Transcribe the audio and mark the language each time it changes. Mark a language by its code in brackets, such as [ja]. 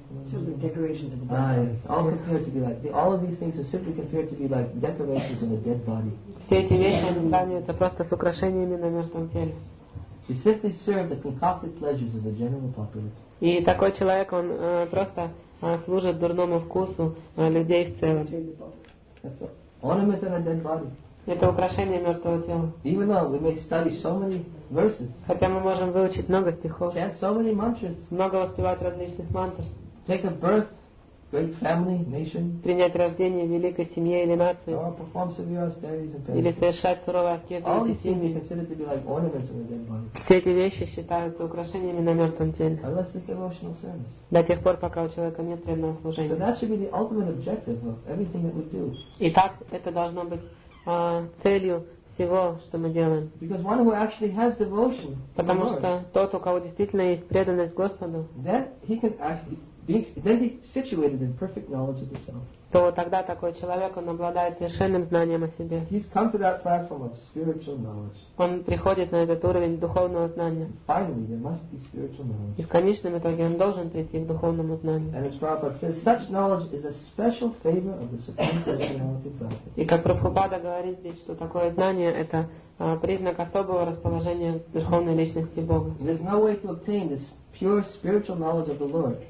[en] simply decorations of a dead body. Yes, all compared to be like the, all of these things are simply compared to be like decorations of a dead body. [ru] Все эти вещи сами это просто с украшениями на мертвом теле. [en] They simply serve the concocted pleasures of the general populace. [ru] И такой человек он просто служит дурному вкусу людей в целом. [en] That's ornament of a dead body. [ru] Это украшение мертвого тела. [en] Even though we may study so many verses, [ru] хотя мы можем выучить много стихов, [en] chant so many mantras, [ru] много воспевать различных мантр, [en] take a birth, great family, nation, [ru] принять рождение в великой семье или нации, [en] or perform severe austerities and [ru] или совершать суровые аскезы, [en] all these things are considered to be like ornaments of a dead body. [ru] Все эти вещи считаются украшениями на мертвом теле. [en] Unless it's devotional service. [ru] До тех пор, пока у человека нет преданного служения. [en] So that should be the ultimate objective of everything that we do. [ru] Итак, это должно быть целью всего, что мы делаем. [en] Because one who actually has devotion, [ru] потому что тот, у кого действительно есть преданность Господу, [en] then he can actually then he situated in perfect knowledge of the self. [ru] То вот тогда такой человек, он обладает совершенным знанием о себе. [en] He's come to that platform of spiritual knowledge. [ru] Он приходит на этот уровень духовного знания. [en] Finally, there must be spiritual knowledge. [ru] И в конечном итоге он должен прийти к духовному знанию. [en] And as Prabhupada says, such knowledge is a special favor of the Supreme Personality of Godhead. [ru] И как Прабхупада говорит здесь, что такое знание — это признак особого расположения Верховной Личности Бога. [en] There's no way to obtain this pure spiritual knowledge of the Lord.